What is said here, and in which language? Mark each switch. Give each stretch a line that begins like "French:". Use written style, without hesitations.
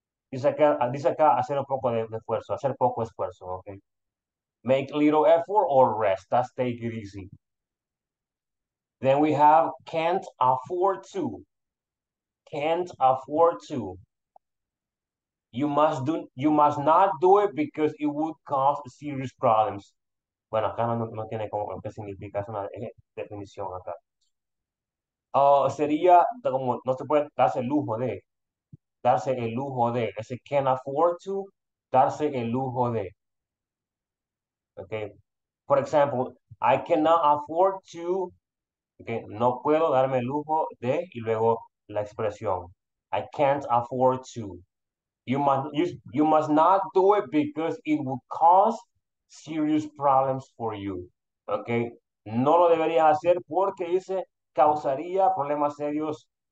Spanish: Dice acá hacer un poco de esfuerzo, hacer poco esfuerzo, okay?
English: Make little effort or rest. That's take it easy. Then we have can't afford to. Can't afford to. You must not do it because it would cause serious problems.
Spanish: Bueno, acá no tiene como qué significa, es una definición acá. Sería como no se puede darse el lujo de. Darse el lujo de. Ese
English: can't afford to.
Spanish: Darse el lujo de. Okay.
English: For example, I cannot afford to. Okay.
Spanish: No puedo darme el lujo de. Y luego la expresión.
English: I can't afford to. You must not do it because it will cause serious problems for you. Okay.
Spanish: No lo deberías hacer porque dice causaría problemas serios.